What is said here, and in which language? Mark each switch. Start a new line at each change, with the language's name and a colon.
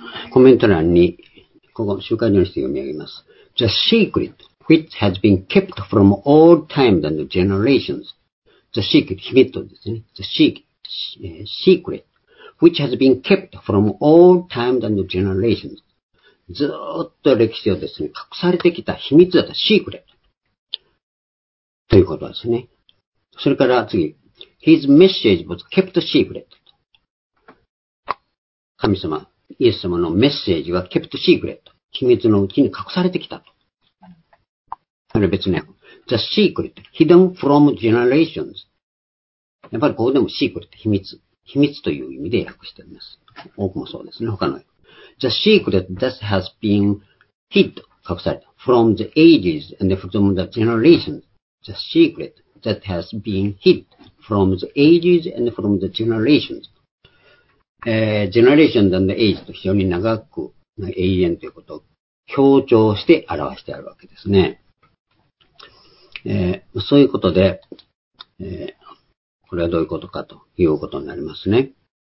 Japanese: コメント欄に、ここ、集会所にして読み上げます。
English: The secret which has been kept from all times and generations. The secret,
Japanese: 秘密ですね。
English: The secret which has been kept from all times and generations.
Japanese: ずっと歴史をですね、隠されてきた秘密だった secret. ということですね。それから次、
English: His message was kept secret.
Japanese: 神様、イエス様のメッセージは
English: kept secret.
Japanese: 秘密のうちに隠されてきたと。あれ別に、
English: the secret, hidden from generations.
Japanese: やっぱりここでも secret、秘密。秘密という意味で訳しています。多くもそうですね、他の。
English: The secret that has been hid,
Japanese: 隠された。
English: From the ages and from the generations. The secret that has been hid from the ages and from the generations. Generations and age
Japanese: と非常に長く、永遠ということを強調して表してあるわけですね。そういうことで、これはどういうことかということになりますね。